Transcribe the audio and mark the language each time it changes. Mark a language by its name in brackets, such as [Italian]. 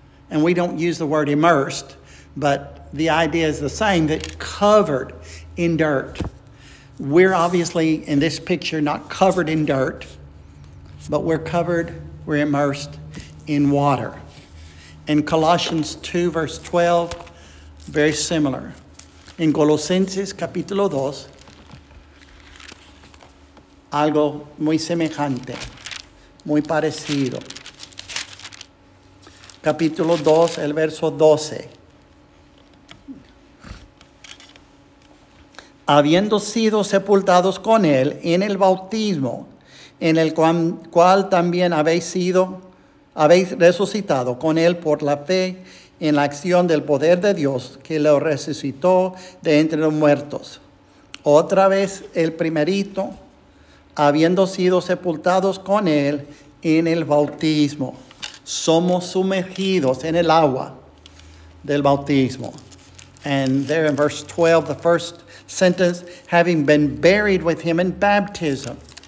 [English] And we don't use the word immersed, but the idea is the same, that covered in dirt. We're obviously, in this picture, not covered in dirt, but we're immersed in water. In Colossians 2, verse 12, very similar. [Spanish] In Colosenses, capítulo 2, algo muy semejante, muy parecido. Capítulo 2, el verso 12. Habiendo sido sepultados con él en el bautismo, en el cual también habéis resucitado con él por la fe en la acción del poder de Dios que lo resucitó de entre los muertos. Otra vez el primerito, habiendo sido sepultados con él en el bautismo. Somos sumergidos en el agua del bautismo. [English] And there in verse 12, the first sentence, having been buried with him in baptism.